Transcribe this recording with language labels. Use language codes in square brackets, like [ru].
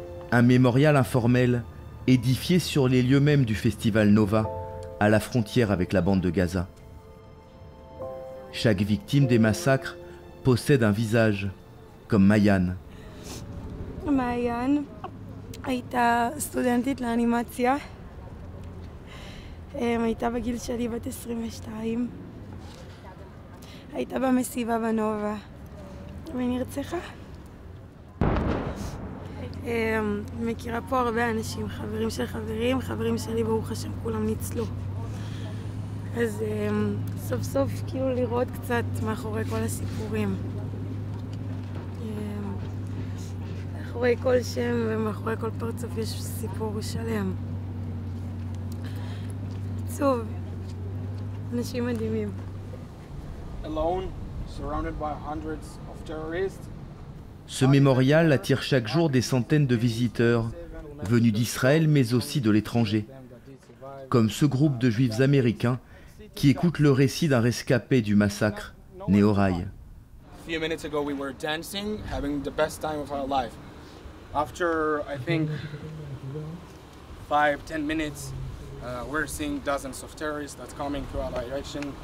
[fr] Un mémorial informel édifié sur les lieux mêmes du festival Nova, à la frontière avec la bande de Gaza. Chaque victime des massacres possède un visage, comme Mayan. [he] Mayan הייתה סטודנטית לאנימציה. הייתה בגיל שלי בת 22. הייתה במסיבה בנובה. ונרצחה. מכירה פה הרבה אנשים, חברים של חברים, חברים שלי ברוך השם, כולם ניצלו. אז סוף סוף כאילו לראות קצת מאחורי כל הסיפורים. מאחורי כל שם ומאחורי כל פרצוף יש סיפור שלם. עצוב. אנשים מדהימים. [en] Alone, surrounded by hundreds of terrorists. [fr] Ce mémorial attire chaque jour des centaines de visiteurs, venus d'Israël mais aussi de l'étranger. Comme ce groupe de juifs américains qui écoute le récit d'un rescapé du massacre, Nehoraï. [en] A few minutes ago we were dancing, having the best time of our life. After, I think, 5-10 minutes, we're seeing dozens of terrorists that's coming to our direction.